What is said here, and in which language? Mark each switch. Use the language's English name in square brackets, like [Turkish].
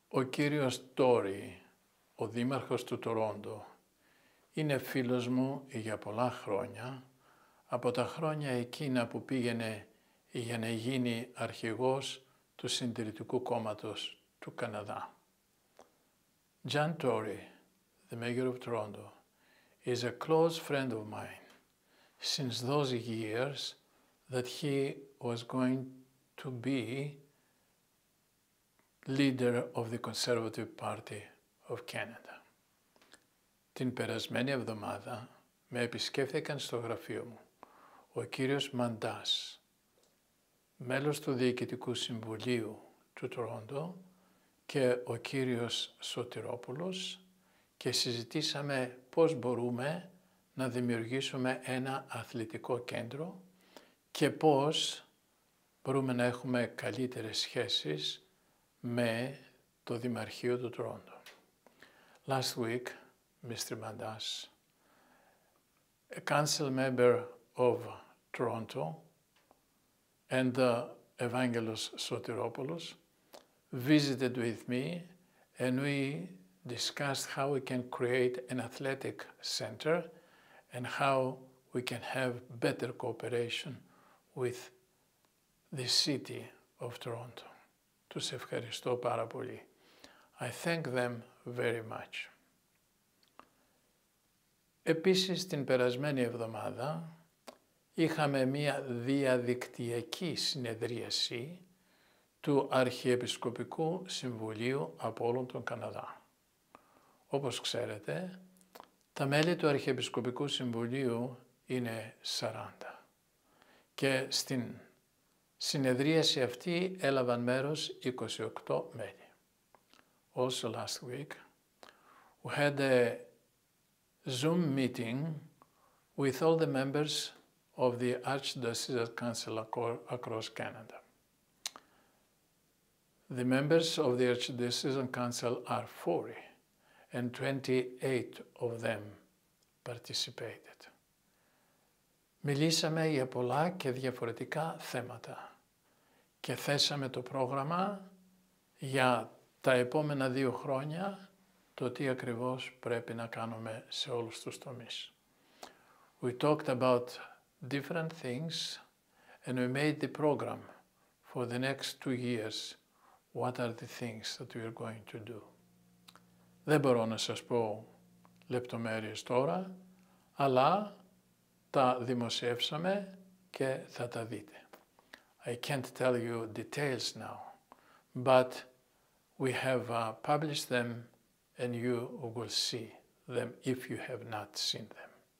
[Greek] κύριος Τόρι, ο Δήμαρχος του Τορόντο, είναι φίλος μου για πολλά χρόνια, από τα χρόνια εκείνα που πήγαινε για να γίνει αρχηγός του Συντηρητικού Κόμματος του Καναδά. [English] John Tory, the mayor of Toronto, is a close friend of mine since those years that he was going to be leader of the Conservative Party of Canada. [Greek] Την περασμένη εβδομάδα με επισκέφθηκαν στο γραφείο μου ο κύριος Μαντάς, μέλος του Διοικητικού Συμβουλίου του Toronto, και ο κύριος Σωτηρόπουλος και συζητήσαμε πώς μπορούμε να δημιουργήσουμε ένα αθλητικό κέντρο και πώς μπορούμε να έχουμε καλύτερες σχέσεις με το Δημαρχείο του Τορόντο. [English] Last week, Mr. Mandas, a council member of Toronto and Evangelos Sotiropoulos visited with me and we discussed how we can create an athletic center and how we can have better cooperation with the city of Toronto. [Greek] Τους ευχαριστώ πάρα πολύ. [English] I thank them very much. [Greek] Επίσης, την περασμένη εβδομάδα είχαμε μία διαδικτυακή συνεδρίαση του Αρχιεπισκοπικού Συμβουλίου από όλον τον Καναδά. Όπως ξέρετε, τα μέλη του Αρχιεπισκοπικού Συμβουλίου είναι 40. Και στην συνεδρίαση αυτή έλαβαν μέρος 28 μέλη. [English] Also last week, we had a Zoom meeting with all the members of the Archdiocesan Council across Canada. The members of the Archdiocesan Council are 40, and 28 of them participated. [Greek] Μιλήσαμε για πολλά και διαφορετικά θέματα και θέσαμε το πρόγραμμα για τα επόμενα 2 χρόνια, το τι ακριβώς πρέπει να κάνουμε σε όλους τους τομείς. [English] We talked about different things and we made the program for the next 2 years. What are the things that we are going to do? [Greek] Δεν μπορώ να σας πω λεπτομέρειες τώρα, αλλά τα δημοσιεύσαμε και θα τα δείτε. [English] I can't tell you details now, but we have published them and you will see them if you have not seen them.